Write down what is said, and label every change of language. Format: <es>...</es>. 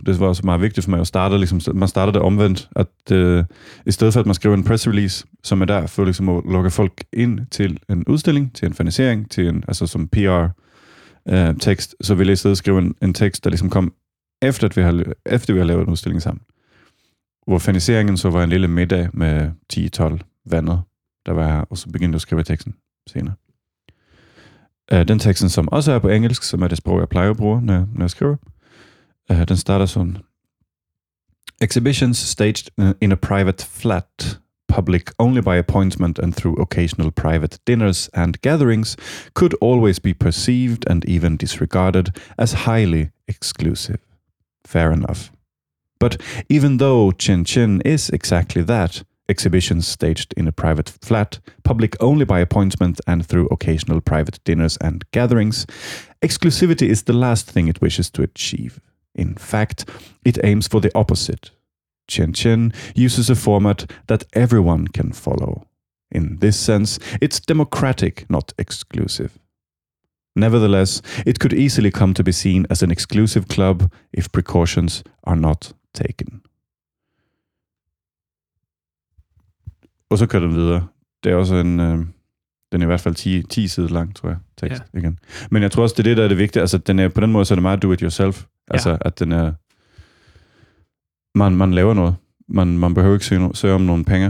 <da>Det var også meget vigtigt for mig at starte, ligesom, man startede det omvendt, at i stedet for, at man skriver en press release, som er der for ligesom, at lukke folk ind til en udstilling, til en finansiering, til en, altså som PR-tekst, så ville jeg i stedet skrive en tekst, der ligesom kom efter, at vi har lavet en udstilling sammen. Hvor finansieringen så var en lille middag med 10-12 venner, der var her, og så begyndte jeg at skrive teksten senere. Den teksten, som også er på engelsk, som er det sprog, jeg plejer at bruge, når jeg skriver, den starter sådan.</da> <en>Exhibitions staged in a private flat, public only by appointment and through occasional private dinners and gatherings, could always be perceived and even disregarded as highly exclusive. Fair enough. But even though Ch'ien Chien is exactly that, exhibitions staged in a private flat, public only by appointment and through occasional private dinners and gatherings, exclusivity is the last thing it wishes to achieve. In fact, it aims for the opposite. Ch'ien Chien uses a format that everyone can follow. In this sense, it's democratic, not exclusive. Nevertheless, it could easily come to be seen as an exclusive club if precautions are not taken.</en> <da>Og så kører den videre. Det er også en, den er i hvert fald 10 sider lang, tror jeg, tekst igen. Men jeg tror også, det er det, der er det vigtige. Altså, den er, på den måde så er det meget do-it-yourself. Altså, at den er, man laver noget. Man behøver ikke søge om nogle penge.</da>